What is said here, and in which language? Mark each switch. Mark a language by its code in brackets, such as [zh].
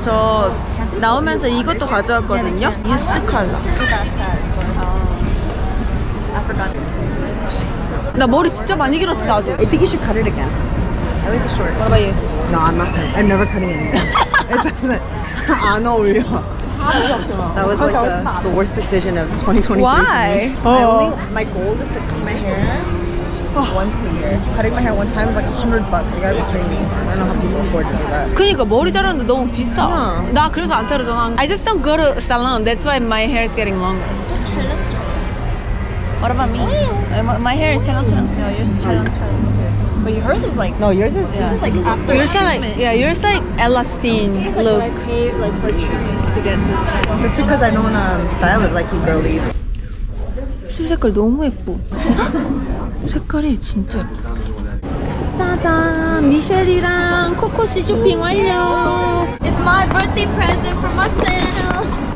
[ko] 저 나오면서 이것도 가져왔거든요. 유스 컬러. 나 머리 진짜 많이 길었지 나도. [en] I think you should cut it again. I like the short. What about you? No, I'm not. I'm never cutting it again. It doesn't. [ko] 안 어울려. [en] That was like the worst decision of 2023. Why? My goal is to cut my hair. Once a year. Cutting my hair one time is like $100. You gotta be kidding me. I don't know how people afford to do that. [ko] 그니까 머리 자르는데 너무 비싸. [en] Yeah. [ko] 나 그래서 안 자르잖아. [en] I just don't go to salon. That's why my hair is getting longer. You're so challenging. What about me? My hair is challenging too. Yours is challenging too. But yours is like... No, yours is... This is like after yours treatment. Like, yeah, yours is like elastine look. Like I pay like for treatment to get this kind of... It's because I don't wanna style it like you girlies. [ko] 흰 색깔 너무 예뻐. 색깔이 진짜 예뻐. 짜잔! 미셸이랑 코코씨 쇼핑 완료! [en] It's my birthday present for myself!